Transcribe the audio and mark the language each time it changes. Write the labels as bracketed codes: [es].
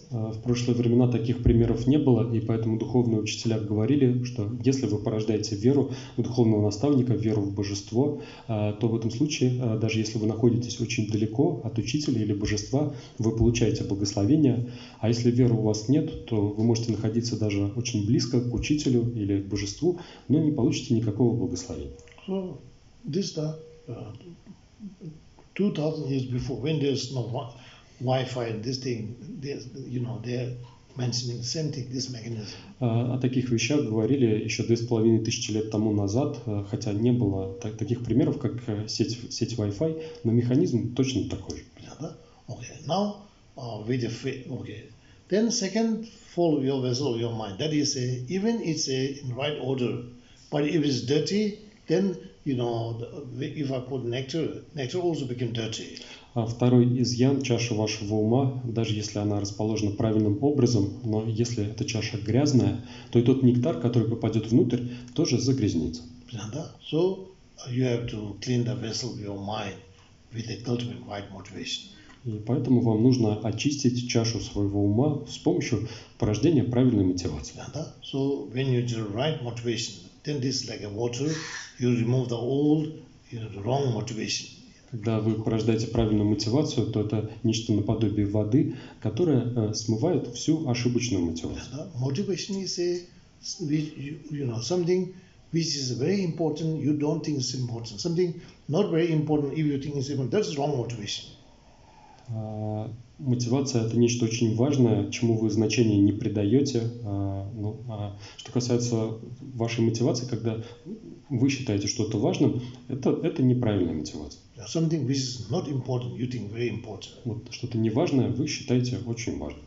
[ru] В прошлые времена таких примеров не было, и поэтому духовные учителя говорили, что если вы порождаете веру в духовного наставника, веру в божество, то в этом случае, даже если вы находитесь очень далеко от учителя или божества, вы получаете благословение. А если веры у вас нет, то вы можете находиться даже очень близко к учителю или к божеству, но не получите никакого благословения. [en] So, this, 2000 years before, when there's no Wi-Fi and this thing, you know, they're mentioning the same thing, this mechanism. [ru] О таких вещах говорили еще 2500 лет тому назад, хотя не было таких примеров, как сеть Wi-Fi, но механизм точно такой же. [en] Okay, now, with the faith, okay. Then second, follow your vessel, your mind. That is, even it's in right order, but if it's dirty, then you know, if I put nectar also become dirty. [ru] А второй изъян чаши вашего ума, даже если она расположена правильным образом, но если эта чаша грязная, то и тот нектар, который попадет внутрь, тоже загрязнится. Да? [en] So you have to clean the vessel of your mind with a ultimate right motivation. [ru] И поэтому вам нужно очистить чашу своего ума с помощью порождения правильной мотивации. Да? [en] So when you do right motivation, then this is like a water, you remove the old, you know, the wrong motivation. [ru] Когда вы порождаете правильную мотивацию, то это нечто наподобие воды, которая смывает всю ошибочную мотивацию. [en] Да, motivation is a, you know, something which is very important, you don't think it's important. Something not very important, if you think it's important, that's wrong motivation. [ru] Мотивация – это нечто очень важное, чему вы значения не придаете. Что касается вашей мотивации, когда вы считаете что-то важным, это неправильная мотивация. [en] Something which is not important, you think very important. [ru] Вот что-то неважное, вы считаете очень важным.